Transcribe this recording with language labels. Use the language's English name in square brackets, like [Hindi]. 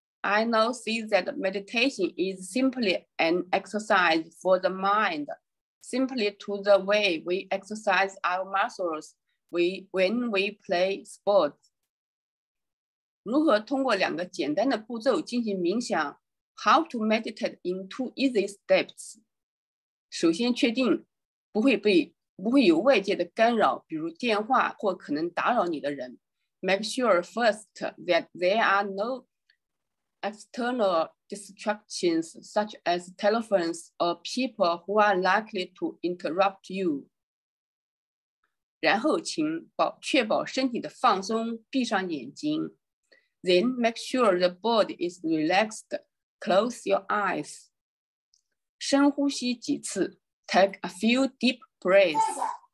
[English] I now see that meditation is simply an exercise for the mind, similar to the way we exercise our muscles when we play sports. [Chinese] 如何通过两个简单的步骤进行冥想？ [English] How to meditate in two easy steps? [Chinese] 首先确定不会有外界的干扰，比如电话或可能打扰你的人。 [English] Make sure first that there are no external distractions such as telephones or people who are likely to interrupt you. [Chinese] 然后请确保身体的放松，闭上眼睛。 [English] Then make sure the body is relaxed. Close your eyes. [Chinese] 深呼吸几次， [English] take a few deep breaths.